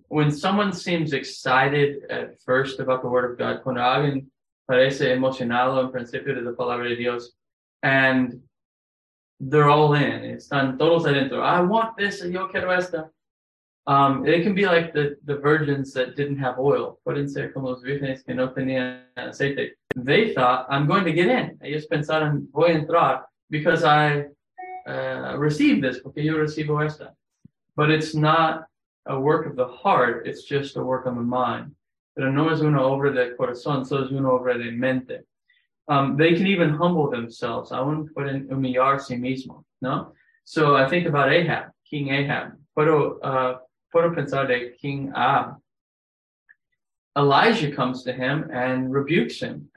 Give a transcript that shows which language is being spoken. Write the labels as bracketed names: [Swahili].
[English] When someone seems excited at first about the word of God, [Spanish] cuando alguien parece emocionado en principio de la palabra de Dios, [English] and they're all in. [Spanish] Están todos adentro. [English] I want this and [Spanish] yo quiero esta. [English] It can be like the virgins that didn't have oil. [Spanish] Pueden ser como los vírgenes que no tenían aceite. [English] They thought, I'm going to get in. [Spanish] Ellos pensaron, voy a entrar [English] because I received this, [Spanish] porque yo recibo esta. [English] But it's not a work of the heart, it's just a work of the mind. [Spanish] Pero no es una obra de corazón, solo es una obra de mente. [English] They can even humble themselves. [Spanish] Aún pueden humillar a sí mismo, ¿no? [English] So I think about Ahab, King Ahab. [Spanish] Puedo pensar de King Ahab. [English] Elijah comes to him and rebukes him.